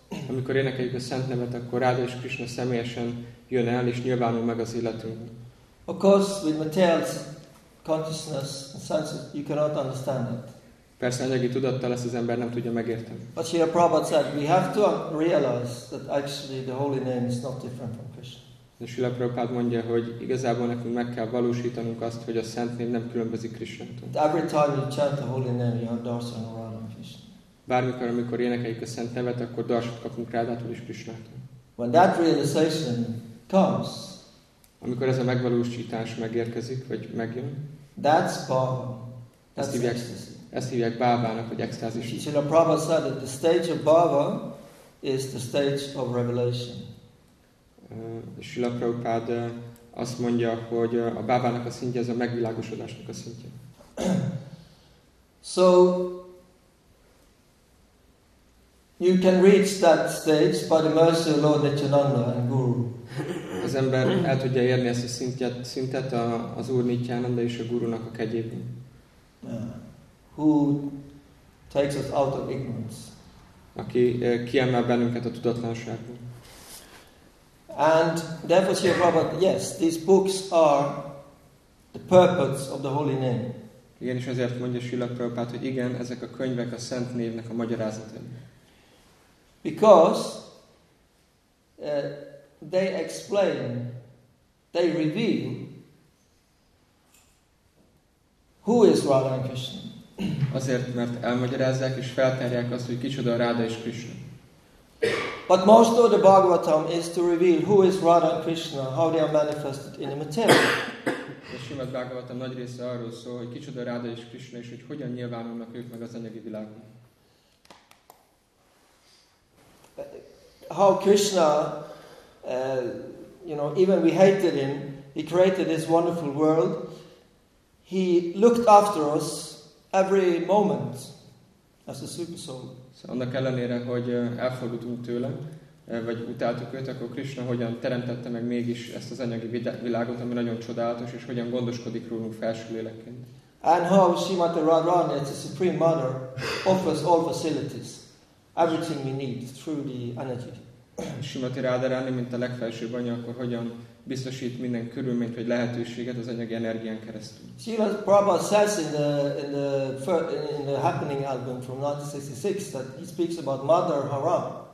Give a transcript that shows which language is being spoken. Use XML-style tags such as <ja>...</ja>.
<hu>Amikor énekeljük a szent nevet, akkor Radha és Krishna személyesen jön el és nyilvánul meg az életünkben.</hu> <en>Of course, with material consciousness and senses, you cannot understand it.</en> <hu>Persze anyagi tudattal ezt az ember nem tudja megérteni.</hu> <en>But Srila Prabhupada said, we have to realize that actually the holy name is not different from Krishna.</en> <hu>De Srila Prabhupada mondja, hogy igazából nekünk meg kell valósítanunk azt, hogy a szent név nem különbözik Krishnától.</hu> <en>Every time you chant the holy name, you have darshan of Radha and Krishna.</en> <hu>Bármikor, amikor énekeljük a szent nevet, akkor darshat kapunk Rádától és Krishnától.</hu> <en>When that realization comes,</en> <hu>amikor ez a megvalósítás megérkezik, vagy megjön,</hu> <en>that's bhava, that's ecstasy.</en> <hu>Ezt hívják bhavának, vagy extázis.</hu> <en>Srila Prabhupada said that the stage of bhava is the stage of revelation.</en> <hu>Srila Prabhupada azt mondja, hogy a bhavának a szintje ez a megvilágosodásnak a szintje.</hu> <en>So you can reach that stage by the mercy of Lord Nityananda and Guru.</en> <hu>Az ember el tudja érni ezt a szintet az Úr Nityananda és a Gurunak a kegyében.</hu> <en>Who takes us out of ignorance.</en> <hu>Aki kiemel bennünket a tudatlanságból.</hu> <en>And therefore, Srila Prabhupada, yes, these books are the purports of the holy name.</en> <hu>Igen, és azért mondja Srila Prabhupada, hogy igen, ezek a könyvek a szent névnek a magyarázatai.</hu> <en>Because they explain, they reveal who is Radha and Krishna.</en> <hu>Azért, mert elmagyarázzák és felterják azt, hogy kicsoda a Radha és Krishna.</hu> <en>But most of the Bhagavatam is to reveal who is Radha and Krishna, how they are manifested in the material.</en> <hu>A Srimad Bhagavatam nagy része arról szól, hogy kicsoda Radha és Krishna, és hogy hogyan nyilvánulnak ők meg az anyagi világban.</hu> <en>How Krishna, you know, even we hated him, he created this wonderful world. He looked after us every moment as a super soul.</en> <hu>Annak ellenére, hogy elfogultunk tőle, vagy utáltuk őt, akkor Krishna hogyan teremtette meg mégis ezt az anyagi világot, ami nagyon csodálatos, és hogyan gondoskodik rólunk felső lélekként.</hu> <en>And how Srimati Radharani, as a supreme mother, offers all facilities, everything we need through the energy.</en> <hu>Srimati Radharani, mint a legfelsőbb anya, akkor hogyan biztosít minden körülményt vagy lehetőséget az anyagi energián keresztül.</hu> <en>Srila Prabhupada says in the Happening album from 1966 that he speaks about Mother Haram.</en>